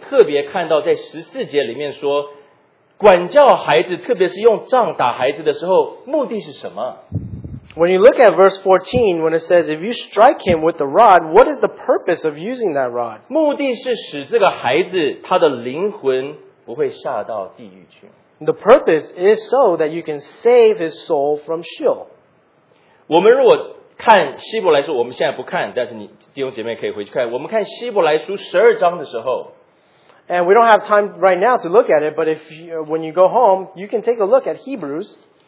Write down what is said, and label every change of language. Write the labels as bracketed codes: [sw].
[zh] 我们看箴言第23章里面的时候，我们特别看到在14节里面说。管教孩子，特别是用杖打孩子的时候，目的是什么？ [en] When you look at verse 14, when it says, if you strike him with the rod, what is the purpose of using that rod? [zh] 目的是使这个孩子他的灵魂不会下到地狱去。 [en] The purpose is so that you can save his soul from Sheol. [zh] 我们如果看希伯来书，我们现在不看，但是你弟兄姐妹可以回去看。我们看希伯来书12章的时候。 [en] And we don't have time right now to look at it, but when you go home, you can take a look at Hebrews.